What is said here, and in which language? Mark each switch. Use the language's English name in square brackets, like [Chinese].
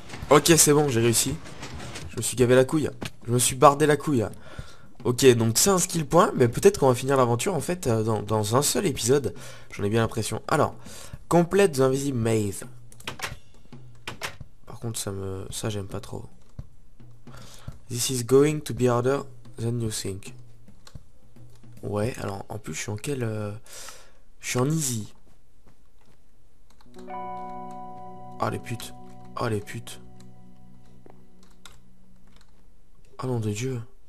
[French] Ok, c'est bon, j'ai réussi. Je me suis gavé la couille. Je me suis bardé la couille. Ok, donc c'est un skill point, mais peut-être qu'on va finir l'aventure en fait dans un seul épisode. J'en ai bien l'impression. Alors, complète [English] the invisible maze. [French] Par contre, ça j'aime pas trop. [English] This is going to be harder than you think. [French] Ouais, alors en plus, je suis en quel... Je suis en easy. Oh les putes. Oh les putes. Oh nom de Dieu.